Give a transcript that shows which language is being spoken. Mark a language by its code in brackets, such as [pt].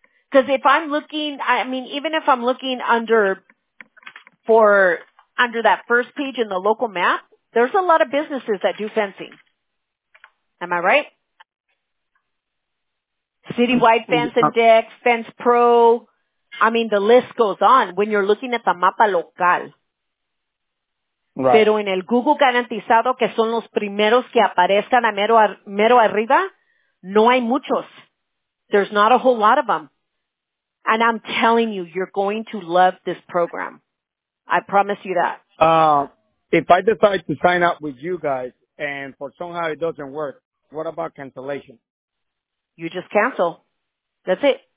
[en] Because if I'm looking, I mean, even if I'm looking under that first page in the local map, There's a lot of businesses that do fencing. Am I right? Citywide Fence and Deck, Fence Pro. I mean, the list goes on when you're looking at the mapa local. Right. [es] Pero en el Google garantizado, que son los primeros que aparezcan a mero arriba, no hay muchos. [en] There's not a whole lot of them. And I'm telling you, you're going to love this program. I promise you that. If I decide to sign up with you guys and for somehow it doesn't work, what about cancellation? You just cancel. That's it.